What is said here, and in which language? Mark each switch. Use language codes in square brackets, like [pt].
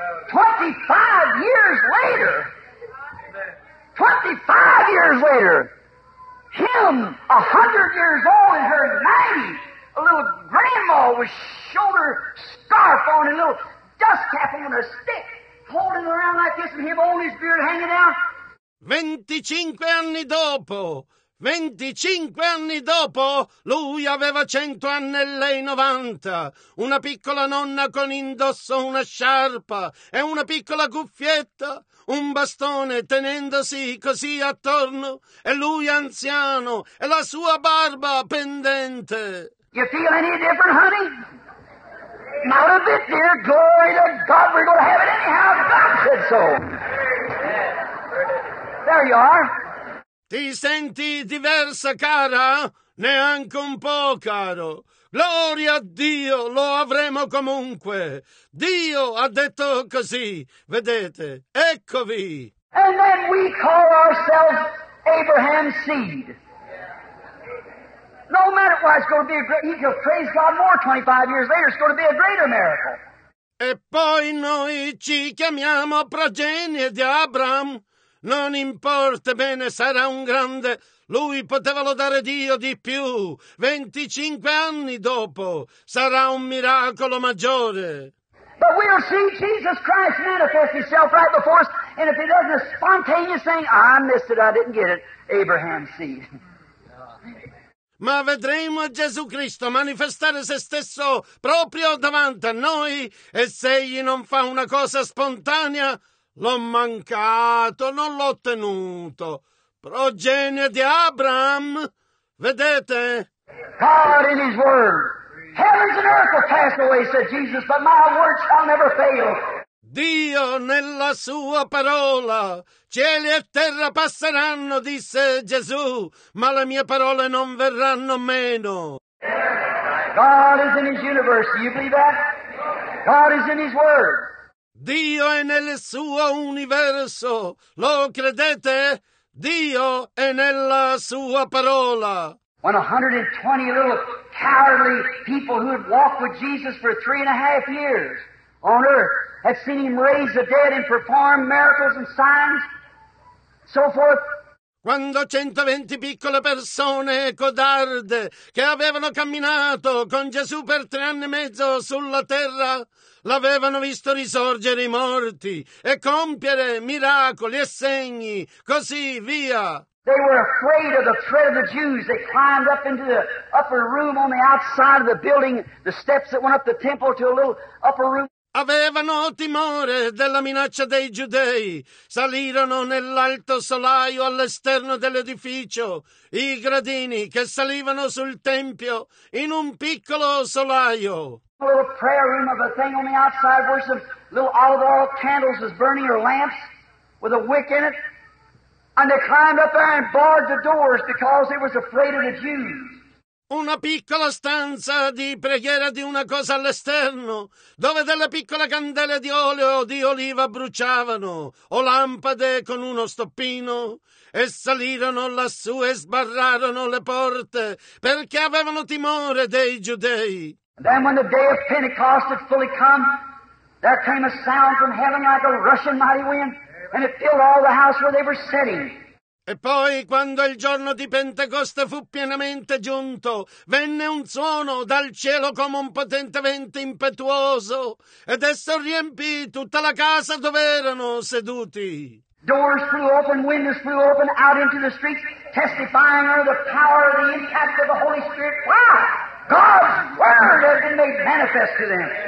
[en] 25 years later. 25 years later. Him, 100 years old, and her 90. A little grandma with shoulder scarf on and a little dust cap on a stick, holding around like this and him holding his beard hanging out. [it] 25 anni dopo. 25 anni dopo, lui aveva 100 anni e lei 90. Una piccola nonna con indosso una sciarpa e una piccola cuffietta, un bastone tenendosi così attorno, e lui anziano e la sua barba pendente. [en] You feel any different, honey? Not a bit, dear. Glory to God, we're going to have it anyhow. God said so. There you are. [it] Ti senti diversa, cara? Neanche un po', caro. Gloria a Dio, lo avremo comunque. Dio ha detto così. Vedete, eccovi. [en] And then we call ourselves Abraham's seed. No matter what, it's going to be a great, he can praise God more 25 years later, it's going to be a greater miracle. [it] E poi noi ci chiamiamo progenie di Abramo. Non importa, bene, sarà un grande. Lui poteva lodare Dio di più. 25 anni dopo sarà un miracolo maggiore. [en] But we'll see Jesus Christ manifest himself right before us. And if he doesn't, a spontaneous thing, I missed it, I didn't get it, Abraham seed. [it] Ma vedremo Gesù Cristo manifestare se stesso proprio davanti a noi. E se egli non fa una cosa spontanea, l'ho mancato, non l'ho ottenuto. Progenie di Abraham, vedete? [en] God in his word. Heavens and earth will pass away, said Jesus, but my word shall never fail. [it] Dio nella sua parola. Cieli e terra passeranno, disse Gesù, ma le mie parole non verranno meno. [en] God is in his universe. Do you believe that? God is in his word. [it] Dio è nel suo universo. Lo credete? Dio è nella sua parola. [en] When 120 little cowardly people who had walked with Jesus for 3.5 years on earth had seen him raise the dead and perform miracles and signs, so forth. [it] Quando 120 piccole persone codarde che avevano camminato con Gesù per 3.5 anni sulla terra l'avevano visto risorgere i morti e compiere miracoli e segni, così via. [en] They were afraid of the threat of the Jews. They climbed up into the upper room on the outside of the building, the steps that went up the temple to a little upper room. [it] Avevano timore della minaccia dei giudei. Salirono nell'alto solaio all'esterno dell'edificio, i gradini che salivano sul tempio in un piccolo solaio. [en] A little prayer room of a thing on the outside where some little olive oil candles was burning or lamps. with a wick in it, and they climbed up there and barred the doors because they was afraid of the Jews. [it] Una piccola stanza di preghiera di una cosa all'esterno, dove delle piccole candele di olio o di oliva bruciavano, o lampade con uno stoppino, e salirono lassù e sbarrarono le porte, perché avevano timore dei giudei. [en] And then when the day of Pentecost had fully come, there came a sound from heaven like a rushing mighty wind, and it filled all the house where they were sitting. [it] E poi, quando il giorno di Pentecoste fu pienamente giunto, venne un suono dal cielo come un potente vento impetuoso, ed esso riempì tutta la casa dove erano seduti. [en] Doors flew open, windows flew open, out into the streets, testifying of the power of the impact of the Holy Spirit. Wow! God's word has been made manifest to them.